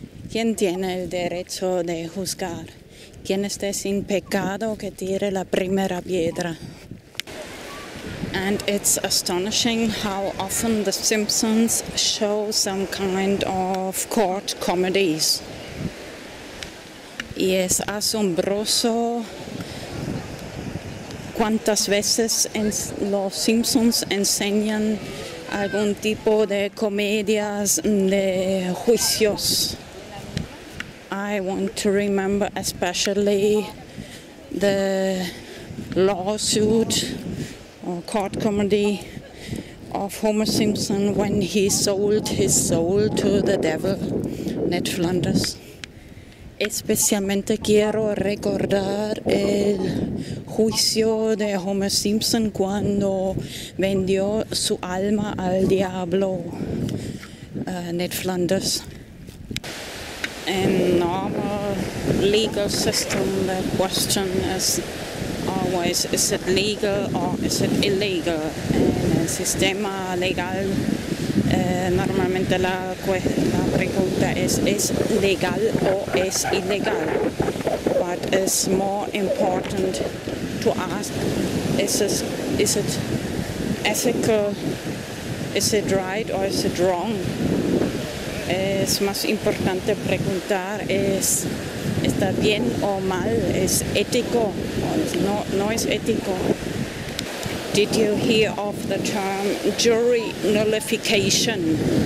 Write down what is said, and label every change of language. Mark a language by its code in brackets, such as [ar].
[es] ¿Quién tiene el derecho de juzgar? ¿Quién esté sin pecado que tire la primera piedra? [en] And it's astonishing how often The Simpsons show some kind of court comedies. [es] Y es asombroso cuántas veces los Simpsons enseñan algún tipo de comedias de juicios. [en] I want to remember especially the lawsuit or court comedy of Homer Simpson when he sold his soul to the devil, Ned Flanders. [es] Especialmente quiero recordar el juicio de Homer Simpson cuando vendió su alma al diablo, Ned Flanders. [en] In our legal system, the question is always, is it legal or is it illegal? [es] En el sistema legal, normalmente la pregunta es legal o es ilegal? [en] But it's more important to ask, is it ethical, is it right or is it wrong? [es] Es más importante preguntar, ¿está bien o mal? ¿Es ético o no es ético? [en] Did you hear of the term jury nullification?